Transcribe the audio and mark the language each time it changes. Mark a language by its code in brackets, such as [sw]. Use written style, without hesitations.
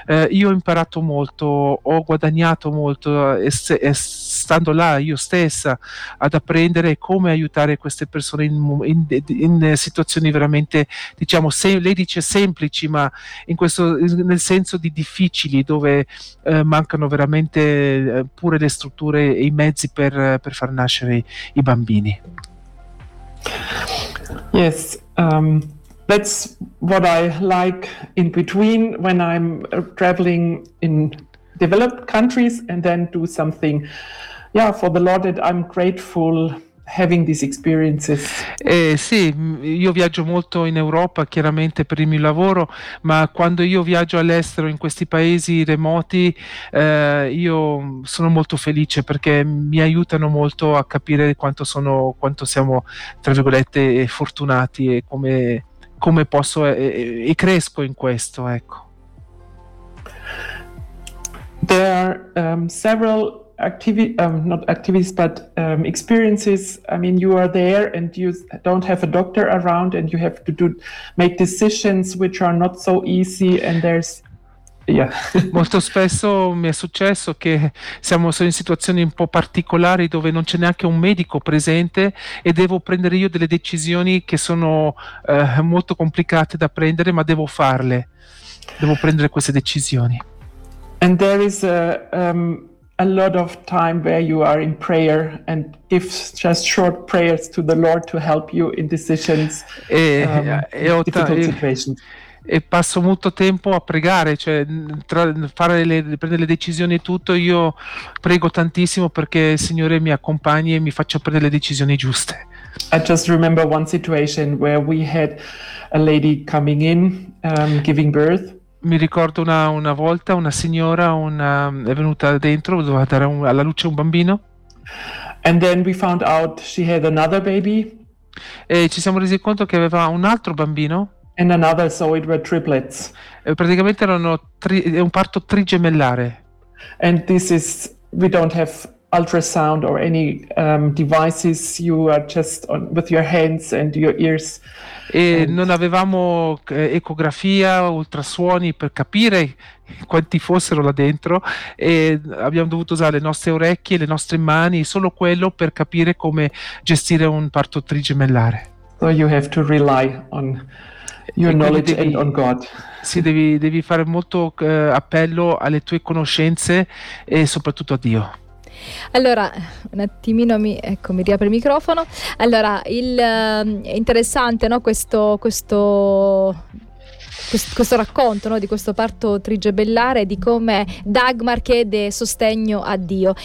[it] io ho imparato molto, ho guadagnato molto stando là io stessa ad apprendere come aiutare queste persone in situazioni veramente, diciamo, lei dice semplici, ma nel senso di difficili, dove mancano veramente pure le strutture e i mezzi per far nascere i bambini. [en] Yes, that's what I like in between when I'm traveling in developed countries and then do something for the Lord, and I'm grateful having these experiences. [it] Sì, io viaggio molto in Europa, chiaramente per il mio lavoro, ma quando io viaggio all'estero in questi paesi remoti, io sono molto felice perché mi aiutano molto a capire quanto siamo, tra virgolette, fortunati e come posso e cresco in questo, ecco. [en] There are several experiences. I mean, you are there and you don't have a doctor around and you have to make decisions which are not so easy, and there's [it] Molto spesso mi è successo che sono in situazioni un po' particolari dove non c'è neanche un medico presente e devo prendere io delle decisioni che sono molto complicate da prendere, ma devo farle, devo prendere queste decisioni. [en] And there is a lot of time where you are in prayer and give just short prayers to the Lord to help you in decisions situations. [it] E passo molto tempo a pregare, cioè prendere le decisioni e tutto. Io prego tantissimo perché il Signore mi accompagni e mi faccia prendere le decisioni giuste. [en] I just remember one situation where we had a lady coming in, giving birth. [it] Mi ricordo una volta una signora è venuta dentro, doveva dare alla luce un bambino. [en] And then we found out she had another baby. [it] E ci siamo resi conto che aveva un altro bambino. [en] And another, so it were triplets. [it] E praticamente erano un parto trigemellare. [en] And this is, we don't have ultrasound or any devices, you are just with your hands and your ears. [it] E non avevamo ecografia, ultrasuoni per capire quanti fossero là dentro, e abbiamo dovuto usare le nostre orecchie, le nostre mani, solo quello per capire come gestire un parto trigemellare. [en] So you have to rely on your knowledge and on God. [it] Sì, devi fare molto appello alle tue conoscenze e soprattutto a Dio. Allora, un attimino mi riapre il microfono. Allora, è interessante, no, questo racconto, no, di questo parto trigemellare, di come Dagmar chiede sostegno a Dio.